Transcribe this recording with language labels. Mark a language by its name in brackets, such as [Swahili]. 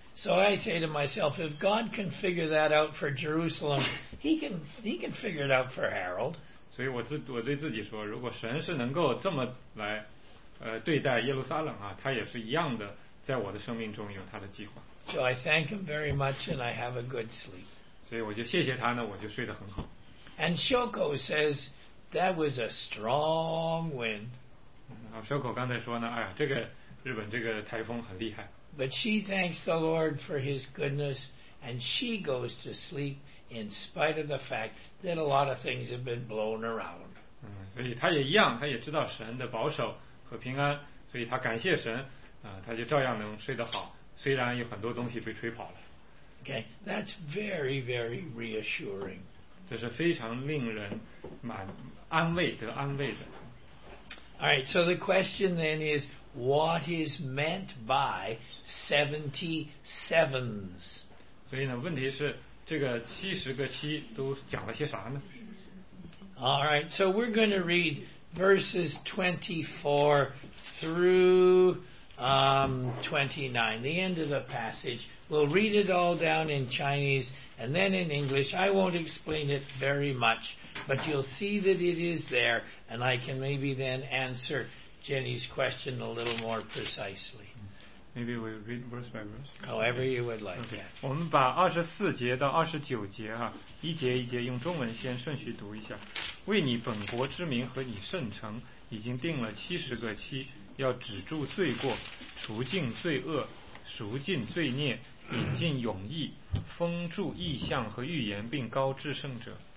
[English] So I say to myself, if God can figure that out for Jerusalem, he can figure it out for Harold. [Chinese] 所以我对自己说，如果神是能够这么来对待耶路撒冷啊，他也是一样的，在我的生命中有他的计划。 [English] So I thank him very much, and I have a good sleep. [Chinese] 所以我就谢谢他呢，我就睡得很好。 [English] And Shoko says that was a strong wind. [Chinese] 啊 ，Shoko 刚才说呢，哎呀，这个日本这个台风很厉害。 [English] But she thanks the Lord for his goodness, and she goes to sleep in spite of the fact that a lot of things have been blown around. [Chinese] 嗯，所以她也一样，她也知道神的保守和平安，所以她感谢神，她就照样能睡得好，虽然有很多东西被吹跑了。 [English] Okay, that's very, very reassuring. [Chinese] 这是非常令人蛮安慰的，安慰的。 [English] All right, so the question then is, what is meant by 77s? [Chinese] 所以呢，问题是这个七十个七都讲了些啥呢？ [English] All right, so we're going to read verses 24 through 29, the end of the passage. We'll read it all down in Chinese and then in English. I won't explain it very much, but you'll see that it is there, and I can maybe then answer Jenny's question a little more precisely. Maybe we read verse by verse. However you would like. Okay. [Chinese] 我们把二十四节到二十九节啊，一节一节用中文先顺序读一下。为你本国之名和你圣城，已经定了七十个期，要止住罪过，除尽罪恶，赎尽罪孽，引进永义，封住异象和预言，并高至圣者。